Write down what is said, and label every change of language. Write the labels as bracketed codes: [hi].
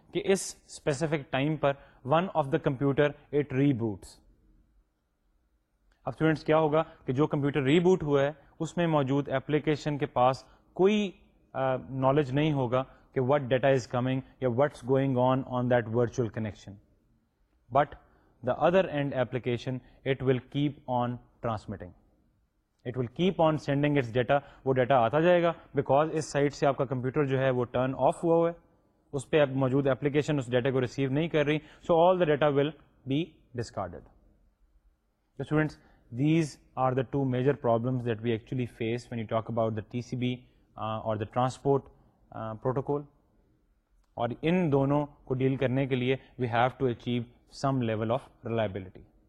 [en] کہ اس specific time پر one of the computer it reboots. [ur] اب students کیا ہوگا کہ جو کمپیوٹر ری بوٹ ہوا ہے اس میں موجود ایپلیکیشن کے پاس کوئی نالج نہیں ہوگا کہ [en] What data is coming یا what's going on that virtual connection. But the other end application it will keep on transmitting, it will keep on sending its data. [ur] وہ ڈیٹا آتا جائے گا بیکاز اس سائٹ سے آپ کا computer جو ہے وہ ٹرن آف ہوا ہوا ہے, اس پہ موجود ایپلیکیشن اس ڈیٹا کو ریسیو نہیں کر رہی, [en] So all the data will be discarded. Students these are the two major problems that we actually face when you talk about the TCP or the transport protocol, [ur] aur in dono ko deal karne ke liye [en] we have to achieve some level of reliability.